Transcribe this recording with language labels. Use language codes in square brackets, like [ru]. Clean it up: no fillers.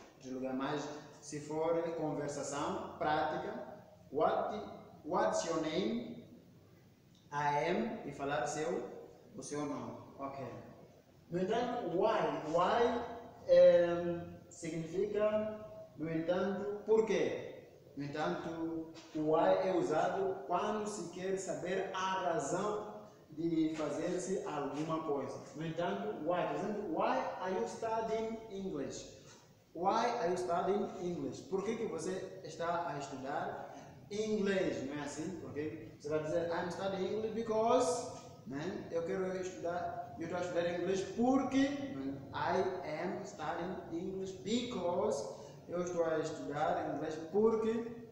[pt] De lugar mais, se for conversação, prática, [en] what's your name? I am, [pt] e falar o seu nome. Ok. No entanto, why? Why significa, no entanto, por quê? No entanto, o why é usado quando se quer saber a razão de fazer-se alguma coisa. No entanto, why? Por exemplo, [en] why are you studying English? Why are you studying English? [pt] Por que você está a estudar inglês? Não é assim? Porque você vai dizer, [en] I'm studying English because, [pt] né? Eu quero estudar, eu estou a estudar inglês porque, [en] I am studying English because, [pt] eu estou a estudar inglês porque.